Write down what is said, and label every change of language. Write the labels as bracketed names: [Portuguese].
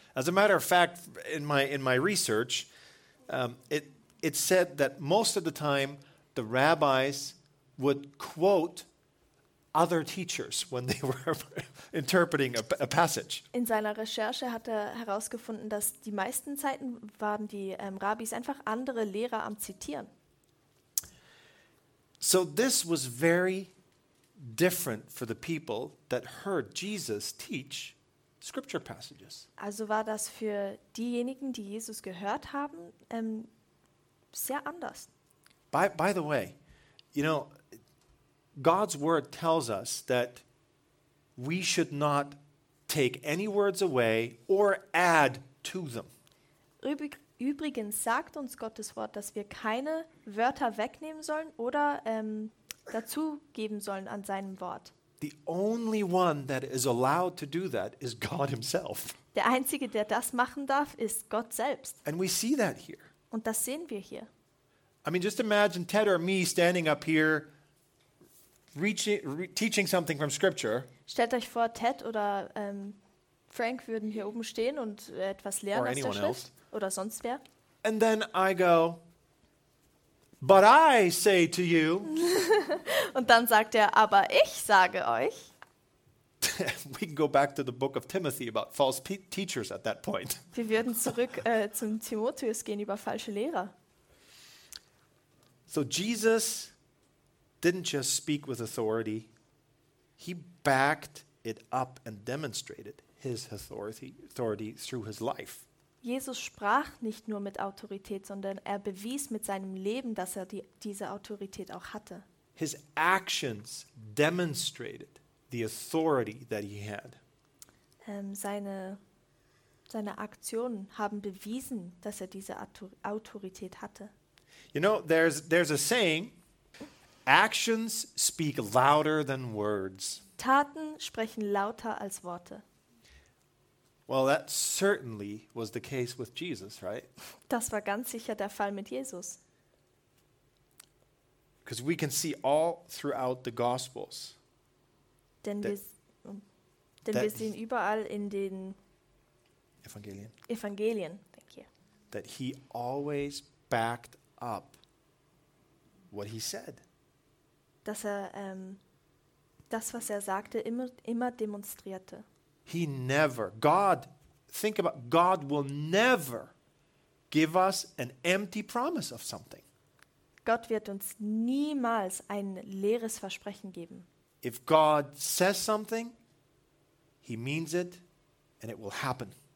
[English] As a matter of fact, in my research, it said that most of the time the rabbis would quote other teachers when they were interpreting a passage. [German] In seiner Recherche hat er herausgefunden, dass die meisten Zeiten waren die Rabbis einfach andere Lehrer am Zitieren. [English] So this was very different for the people that heard Jesus teach scripture passages. [German] Also war das für diejenigen, die Jesus gehört haben, sehr anders. [English] By the way, you know, God's word tells us that we should not take any words away or add to them. [German] Übrigens sagt uns Gottes Wort, dass wir keine Wörter wegnehmen sollen oder dazu geben sollen an seinem Wort. [English] The only one that is allowed to do that is God himself. [German] Der einzige, der das machen darf, ist Gott selbst. [English] And we see that here. [German] Und das sehen wir hier. [English] I mean, just imagine Ted or me standing up here teaching something from scripture. [German] Stellt euch vor, Ted oder Frank würden hier oben stehen und etwas lernen aus der Schrift. Oder sonst wer. [English] And then I go, but I say to you. [German] Und dann sagt er, aber ich sage euch. [English] We can go back to the book of Timothy about false teachers at that point. [German] Wir würden zurück zum Timotheus gehen über falsche Lehrer. [English] So Jesus didn't just speak with authority, he backed it up and demonstrated his authority through his life. [German] Jesus sprach nicht nur mit Autorität, sondern er bewies mit seinem Leben, dass er diese Autorität auch hatte. [English] His actions demonstrated the authority that he had. [German] Seine Aktionen haben bewiesen, dass er diese Autorität hatte. [English] You know, there's a saying, actions speak louder than words. [German] Taten sprechen lauter als Worte. [English] Well, that certainly was the case with Jesus, right? [German] Das war ganz sicher der Fall mit Jesus. [English] Because we can see all throughout the Gospels. [German] Denn wir sehen überall in den Evangelien, [English] thank you. That he always backed up what he said. [German] Dass er das, was er sagte, immer demonstrierte. [English] God will never give us an empty promise of something. [German] Gott wird uns niemals ein leeres Versprechen geben. [English] If God says something, he means it and it will happen.